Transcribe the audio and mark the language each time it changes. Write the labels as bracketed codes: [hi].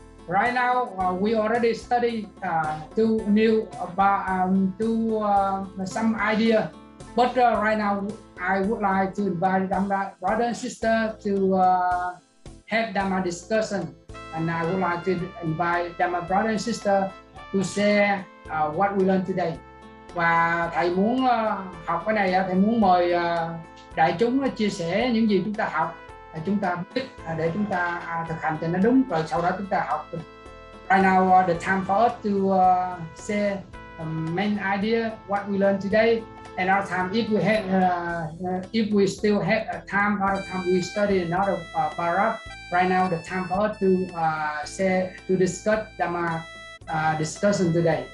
[en] Right now we already study some idea, but right now I would like to invite Dhamma brother and sister to have Dhamma discussion, and I would like to invite Dhamma brother and sister to share what we learned today. [vi] Và thầy muốn học cái này, thầy muốn mời đại chúng chia sẻ những gì chúng ta học, chúng ta biết để chúng ta thực hành cho nó đúng, rồi sau đó chúng ta học. [en] Right now the time for us to share the main idea what we learned today, and our time, if we have if we still have time, our time we study another paragraph. Right now the time for us to discuss Dhamma discussion today.